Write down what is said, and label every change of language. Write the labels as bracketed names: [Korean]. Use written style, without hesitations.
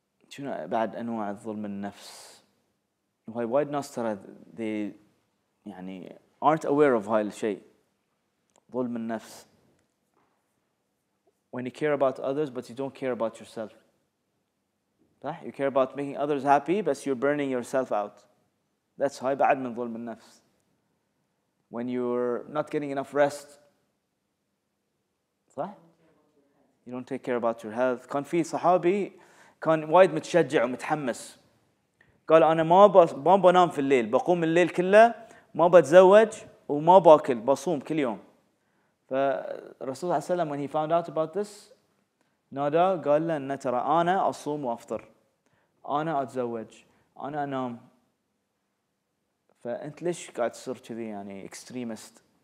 [Arabic] شنو بعد أنواع ظلم النفس؟ [English] Why [Arabic] الناس ترى they يعني [English] aren't aware of [Arabic] هاي الشيء ظلم النفس. [English] When you care about others, but you don't care about yourself. You care about making others happy, but you're burning yourself out. That's how bad [Arabic] min dhulm an-nafs. [English] When you're not getting enough rest, you don't take care about your health. [Arabic] كان في صحابي كان وايد متشجع ومتحمس. قال أنا ما بنام في الليل. بقوم الليل كله ما بتزوج وما باكل. بصوم كل يوم. فالرسول صلى الله عليه وسلم [English] when he found out about this [Arabic] نادى قال له أن ترى أنا أصوم وأفطر أنا أتزوج أنا أنام فأنت ليش قاعد تصير كذي يعني extremist.